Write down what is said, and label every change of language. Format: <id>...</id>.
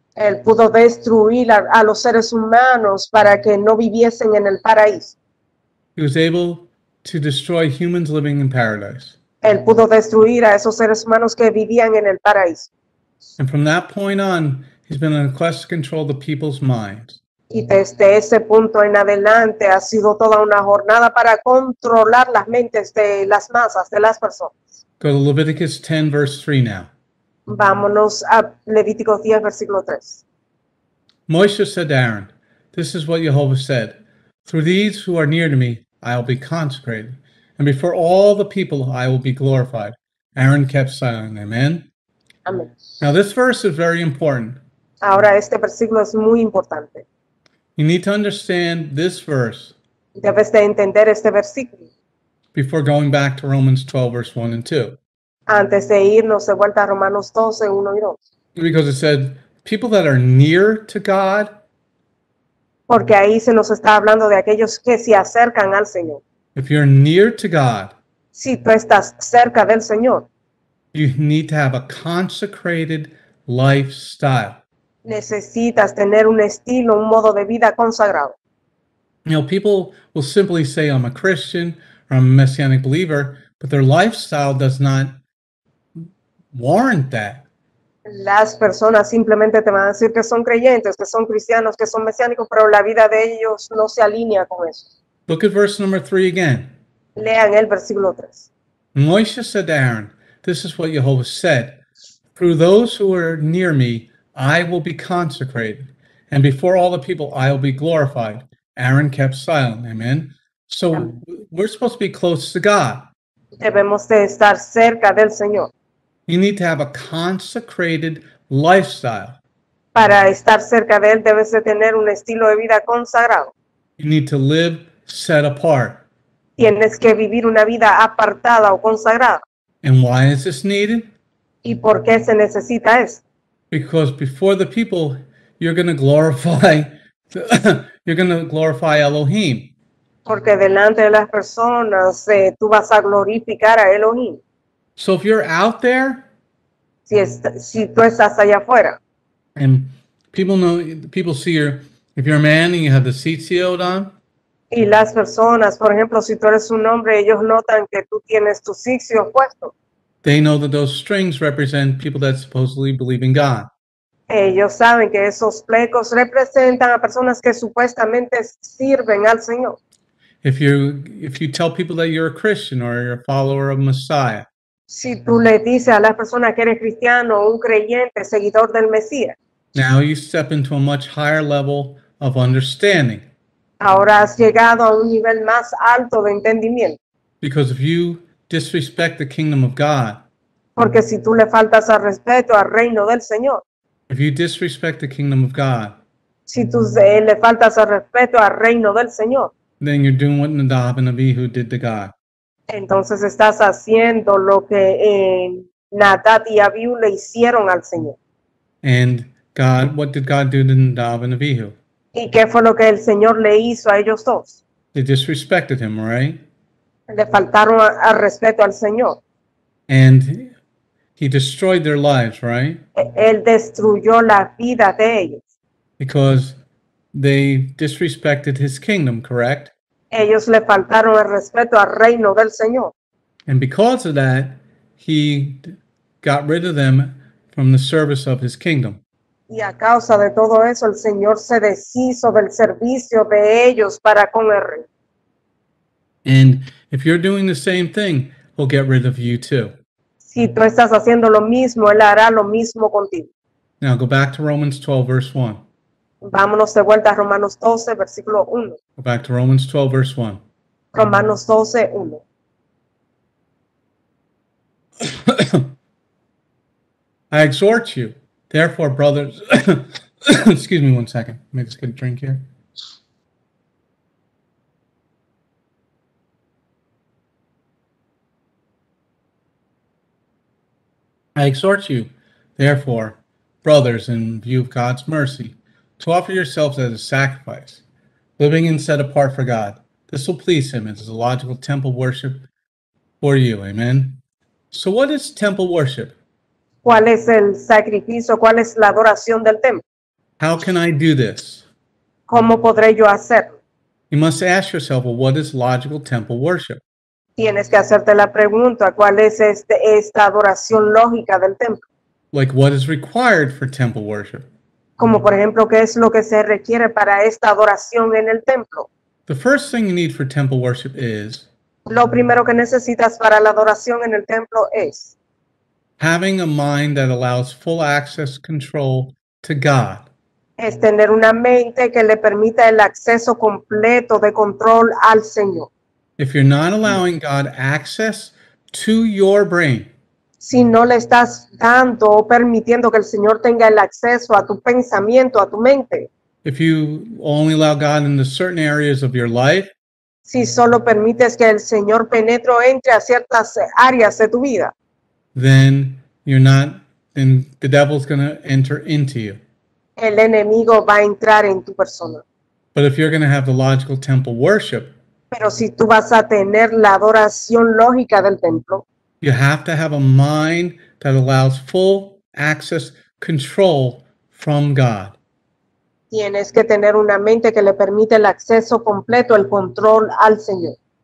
<es>Él pudo destruir a los seres humanos para que no viviesen en el paraíso.</es> <en>He was able to destroy humans living in paradise.</en> <es>Él pudo destruir a esos seres humanos que vivían en el paraíso.</es> <en>And from that point on, he's been on a quest to control the people's minds.</en> <es>Y desde ese punto en adelante ha sido toda una jornada para controlar las mentes de las masas, de las personas.</es> <en>Go to Leviticus 10, verse 3 now.</en> <es>Vámonos a Levítico 10, versículo 3.</es> <en>Moshe said to Aaron, this is what Jehovah said. Through these who are near to me, I'll be consecrated. And before all the people, I will be glorified. Aaron kept silent. Amen. Amen. Now this verse is very important.</en> <es>Ahora este versículo es muy importante.</es> <en>You need to understand this verse.</en> <es>Debes de entender este versículo.</es> <en>Before going back to Romans 12, verse 1 and 2.</en> <es>Antes de irnos de vuelta a Romanos 12, 1 y 2.</es> <en>Because it said, people that are near to God.</en> <es>Porque ahí se nos está hablando de aquellos que se acercan al Señor.</es> <en>If you're near to God,</en> <es>si tú estás cerca del Señor,</es> <en>you need to have a consecrated lifestyle.</en> <es>Necesitas tener un estilo, un modo de vida consagrado.</es> <en>You know, people will simply say, I'm a Christian or I'm a messianic believer, but their lifestyle does not warrant that.</en> <es>Las personas simplemente te van a decir que son creyentes, que son cristianos, que son mesiánicos, pero la vida de ellos no se alinea con eso.</es> <en>Look at verse number 3 again.</en> <es>Lean el versículo 3.</es> <en>Moshe said to Aaron, this is what Jehovah said. Through those who are near me, I will be consecrated. And before all the people, I will be glorified. Aaron kept silent. Amen. So we're supposed to be close to God.</en> <es>Debemos de estar cerca del Señor.</es> <en>You need to have a consecrated lifestyle.</en> <es>Para estar cerca de él, debes de tener un estilo de vida consagrado.</es> <en>You need to live set apart.</en> <es>Tienes que vivir una vida apartada o consagrada.</es> <en>And why is this needed?</en> <es>¿Y por qué se necesita eso?</es> <en>Because before the people, you're going to glorify, you're going to glorify Elohim.</en> <es>Porque delante de las personas, tú vas a glorificar a Elohim.</es> <en>So if you're out there,</en> <es>si tú estás allá afuera,</es> <en>and people know, people see you, if you're a man and you have the tzitzit on,</en> <es>y las personas, por ejemplo, si tú eres un hombre, ellos notan que tú tienes tu sitio puesto.</es> <en>They know that those strings represent people that supposedly believe in God.</en> <es>Ellos saben que esos flecos representan a personas que supuestamente sirven al Señor.</es> <en>If you tell people that you're a Christian or you're a follower of Messiah.</en> <es>Si tú le dices a las personas que eres cristiano, un creyente, seguidor del Mesías.</es> <en>Now you step into a much higher level of understanding.</en> <es>Ahora has llegado a un nivel más alto de entendimiento.</es> <en>Because if you disrespect the kingdom of God.</en> <es>Porque si tú le faltas al respeto al reino del Señor.</es> <en>If you disrespect the kingdom of God.</en> <es>Si tú le faltas al respeto al reino del Señor.</es> <en>Then you're doing what Nadab and Abihu did to God.</en> <es>Entonces estás haciendo lo que Nadab y Abihu le hicieron al Señor.</es> <en>And God, what did God do to Nadab and Abihu?</en> <es>¿Y qué fue lo que el Señor le hizo a ellos dos?</es> <en>They disrespected him, right?</en> <es>Le faltaron al respeto al Señor.</es> <en>And he destroyed their lives, right?</en> <es>Él destruyó la vida de ellos.</es> <en>Because they disrespected his kingdom, correct?</en> <es>Ellos le faltaron al respeto al reino del Señor.</es> <en>And because of that, he got rid of them from the service of his kingdom.</en> <es>Y a causa de todo eso, el Señor se deshizo del servicio de ellos para con el rey.</es> <en>And if you're doing the same thing, he'll get rid of you too.</en> <es>Si tú estás haciendo lo mismo, él hará lo mismo contigo.</es> <en>Now go back to Romans 12, verse 1.</en> <es>Vámonos de vuelta a Romanos 12, versículo 1.</es> <en>Go back to Romans 12, verse 1.</en> <es>Romanos 12, 1.</es> <en>I exhort you, therefore, brothers, excuse me one second. Let me just get a drink here. I exhort you, therefore, brothers, in view of God's mercy, to offer yourselves as a sacrifice, living and set apart for God. This will please him as a logical temple worship for you. Amen. So what is temple worship?</en> <es>¿Cuál es el sacrificio? ¿Cuál es la adoración del templo?</es> <en>How can I do this?</en> <es>¿Cómo podré yo hacerlo?</es> <en>You must ask yourself, well, what is logical temple worship?</en> <es>Tienes que hacerte la pregunta, ¿cuál es esta adoración lógica del templo?</es> <en>Like, what is required for temple worship?</en> <es>Como, por ejemplo, ¿qué es lo que se requiere para esta adoración en el templo?</es> <en>The first thing you need for temple worship is...</en> <es>Lo primero que necesitas para la adoración en el templo es...</es> <en>Having a mind that allows full access control to God.</en> <es>Es tener una mente que le permita el acceso completo de control al Señor.</es> <en>If you're not allowing God access to your brain,</en> <es>si no le estás dando o permitiendo que el Señor tenga el acceso a tu pensamiento, a tu mente,</es> <en>if you only allow God into certain areas of your life,</en> <es>si solo permites que el Señor penetre o entre a ciertas áreas de tu vida,</es> <en>then the devil's going to enter into you.</en> <es>El enemigo va a entrar en tu persona.</es> <en>But if you're going to have the logical temple worship,</en> <es>pero si tú vas a tener la adoración lógica del templo,</es> <en>you have to have a mind that allows full access control from God.</en> <es>Tienes que tener una mente que le permite el acceso completo, el control al Señor.</es>